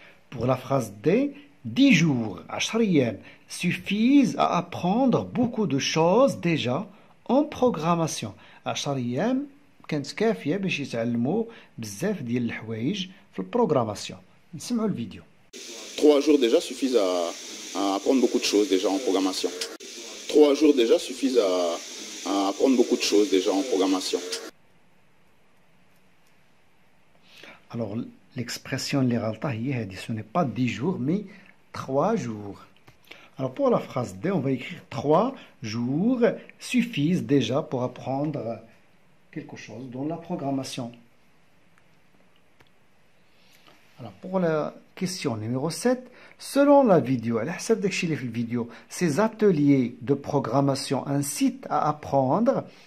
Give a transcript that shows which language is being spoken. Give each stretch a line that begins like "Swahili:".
French: Pour la phrase D, 10 jours, 10 jours, suffisent à apprendre beaucoup de choses déjà en programmation. 10 jours,
Arabic: كانت كافية باش يتعلموا بزاف ديال الحوايج في البروغراماسيون. نسمعوا الفيديو.
French: 3 jours déjà suffisent à apprendre beaucoup de choses déjà en programmation. 3 jours déjà suffisent à apprendre beaucoup de choses déjà en programmation. Alors, l'expression
Arabic: اللي غلطه هي هذه.
French: Ce n'est pas 10 jours, mais 3 jours. Alors pour la phrase D, on va écrire 3 jours suffisent déjà pour apprendre quelque chose dans la programmation. Alors pour la question numéro 7, selon la vidéo, ces ateliers de programmation incitent à apprendre.